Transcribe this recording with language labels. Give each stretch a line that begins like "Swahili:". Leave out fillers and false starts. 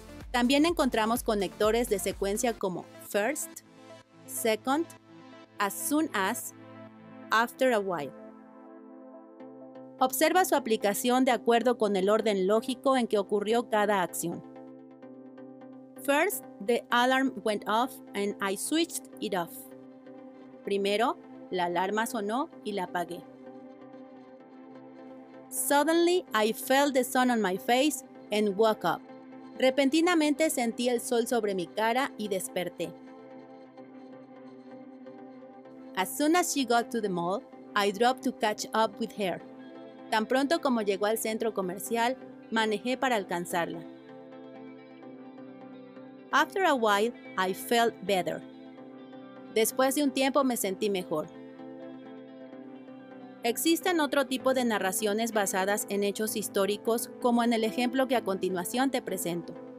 Spanish: También encontramos conectores de secuencia como first, second, as soon as, after a while. Observa su aplicación de acuerdo con el orden lógico en que ocurrió cada acción.
English: First, the alarm went off and I switched it off.
Spanish: Primero, la alarma sonó y la apagué.
English: Suddenly, I felt the sun on my face and woke up.
Spanish: Repentinamente sentí el sol sobre mi cara y desperté.
English: As soon as she got to the mall, I drove to catch up with her.
Spanish: Tan pronto como llegó al centro comercial, manejé para alcanzarla.
English: After a while, I felt better.
Spanish: Después de un tiempo me sentí mejor. Existen otro tipo de narraciones basadas en hechos históricos, como en el ejemplo que a continuación te presento.